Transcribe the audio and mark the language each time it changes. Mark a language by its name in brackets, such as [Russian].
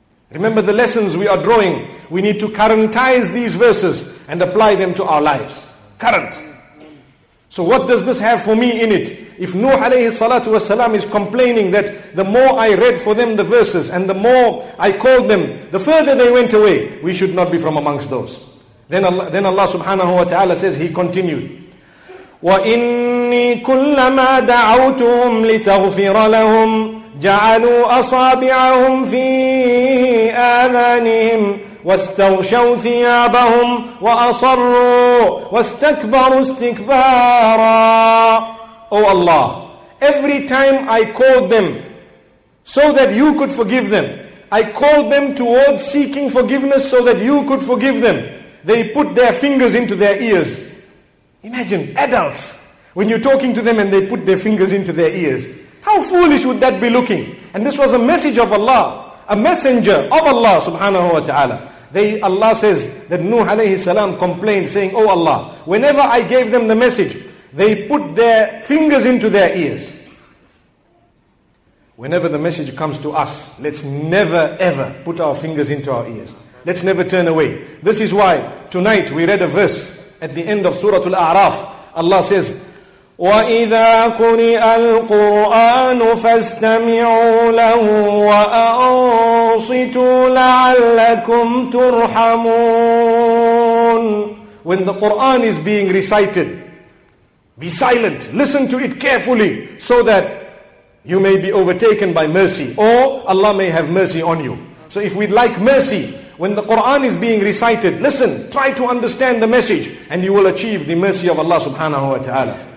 [English] Remember the lessons we are drawing. We need to currentize these verses and apply them to our lives. Current. So what does this have for me in it? If Nuh alayhi salatu wasalam is complaining that the more I read for them the verses and the more I called them, the further they went away, we should not be from amongst those. Then Allah subhanahu wa ta'ala says, he continued, [Arabic] وَإِنِّي كُلَّمَا دَعَوْتُهُمْ لِتَغْفِرَ لَهُمْ جَعَلُوا أَصَابِعَهُمْ فِي آذَانِهِمْ وَاسْتَغْشَوْا ثِيَابَهُمْ وَأَصَرُّوا وَاسْتَكْبَرُوا اسْتِكْبَارًا. [English] Oh Allah, every time I called them so that you could forgive them, I called them towards seeking forgiveness so that you could forgive them, they put their fingers into their ears. Imagine adults, when you're talking to them and they put their fingers into their ears. How foolish would that be looking? And this was a message of Allah, a messenger of Allah subhanahu wa ta'ala. Allah says that Nuh alayhi salam complained saying, oh Allah, whenever I gave them the message, they put their fingers into their ears. Whenever the message comes to us, let's never ever put our fingers into our ears. Let's never turn away. This is why tonight we read a verse at the end of Surah Al-A'raf. Allah says, [Arabic] وَإِذَا قُرِئَ الْقُرْآنُ فَاسْتَمِعُوا لَهُ وَأَنصِتُوا لَعَلَّكُمْ تُرْحَمُونَ. [English] When the Quran is being recited, be silent, listen to it carefully, so that you may be overtaken by mercy, or Allah may have mercy on you. So if we'd like mercy, when the Quran is being recited, listen, try to understand the message, and you will achieve the mercy of Allah subhanahu wa ta'ala.